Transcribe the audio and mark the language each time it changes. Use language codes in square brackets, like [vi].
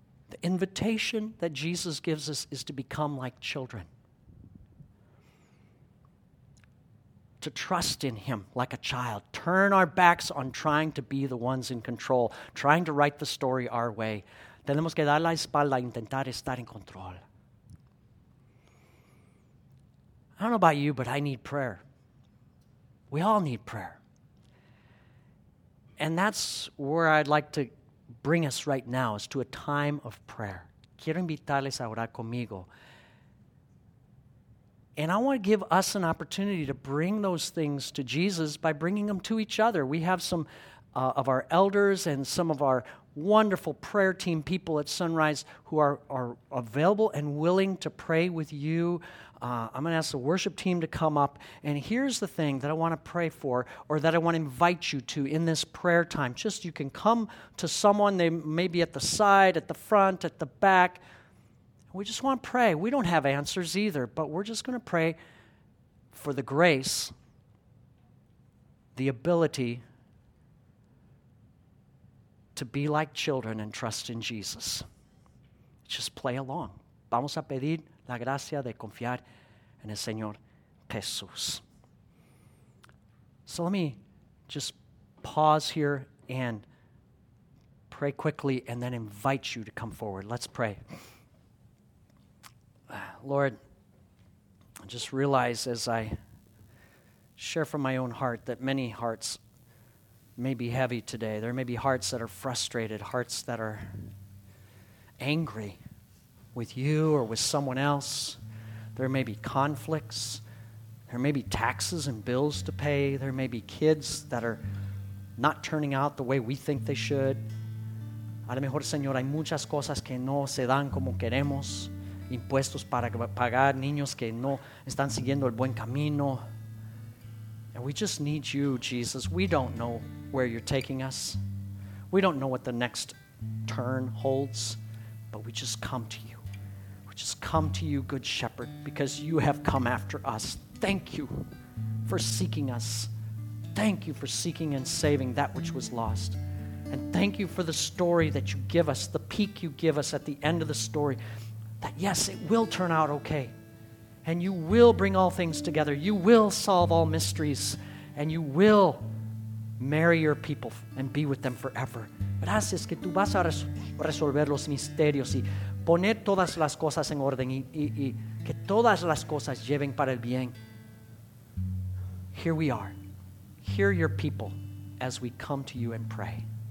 [en] The invitation that Jesus gives us is to become like children. To trust in him like a child. Turn our backs on trying to be the ones in control, trying to write the story our way. [es] Tenemos que dar la espalda e intentar estar en control. [en] I don't know about you, but I need prayer. We all need prayer. And that's where I'd like to bring us right now, is to a time of prayer. [es] Quiero invitarles a orar conmigo. [en] And I want to give us an opportunity to bring those things to Jesus by bringing them to each other. We have some of our elders and some of our wonderful prayer team people at Sunrise who are available and willing to pray with you. I'm going to ask the worship team to come up. And here's the thing that I want to pray for, or that I want to invite you to in this prayer time. Just you can come to someone. They may be at the side, at the front, at the back. We just want to pray. We don't have answers either, but we're just going to pray for the grace, the ability to be like children and trust in Jesus. just play along. [es] Vamos a pedir la gracia de confiar en el Señor Jesús. [en] So let me just pause here and pray quickly and then invite you to come forward. Let's pray. Lord, I just realize as I share from my own heart that many hearts may be heavy today. There may be hearts that are frustrated, hearts that are angry with you or with someone else. There may be conflicts. There may be taxes and bills to pay. There may be kids that are not turning out the way we think they should. [es] A lo mejor, Señor, hay muchas cosas que no se dan como queremos. Impuestos para pagar, niños que no están siguiendo el buen camino. [en] And we just need you, Jesus. We don't know where you're taking us. We don't know what the next turn holds, but we just come to you. We just come to you, Good Shepherd, because you have come after us. Thank you for seeking us. Thank you for seeking and saving that which was lost. And thank you for the story that you give us, the peak you give us at the end of the story, that yes, it will turn out okay. And you will bring all things together. You will solve all mysteries. And you will marry your people and be with them forever. [es] Gracias que tú vas a resolver los misterios y poner todas las cosas en orden y que todas las cosas lleven para el bien. [en] Here we are. Hear your people as we come to you and pray.